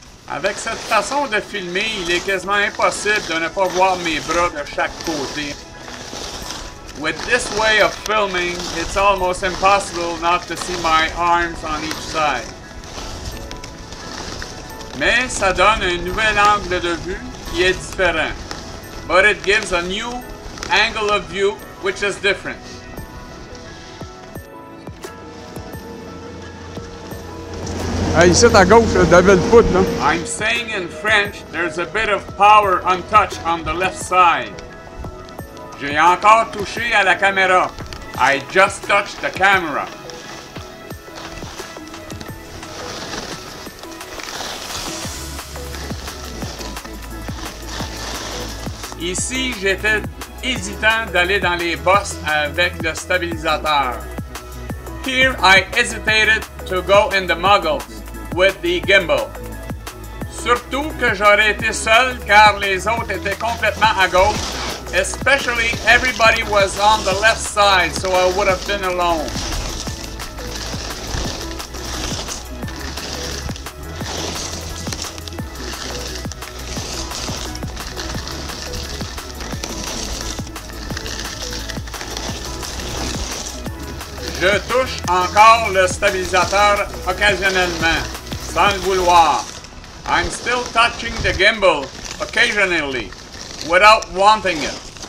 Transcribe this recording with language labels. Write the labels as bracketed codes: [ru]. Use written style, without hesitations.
[fr] Avec cette façon de filmer, il est quasiment impossible de ne pas voir mes bras de chaque côté. [en] With this way of filming, it's almost impossible not to see my arms on each side. [fr] Mais ça donne un nouvel angle de vue qui est différent. [en] But it gives a new angle of view, which is different. [fr] Hey, ici à gauche, David Foot, là. [en] I'm saying in French, there's a bit of power untouched on the left side. [fr] J'ai encore touché à la caméra. [en] I just touched the camera. [fr] Ici, j'étais hésitant d'aller dans les bosses avec le stabilisateur. [en] Here I hesitated to go in the muggles with the gimbal. [fr] Surtout que j'aurais été seul car les autres étaient complètement à gauche. [en] Especially everybody was on the left side, so I would have been alone. [fr] Je touche encore le stabilisateur occasionnellement, sans le vouloir. [en] I'm still touching the gimbal occasionally, without wanting it.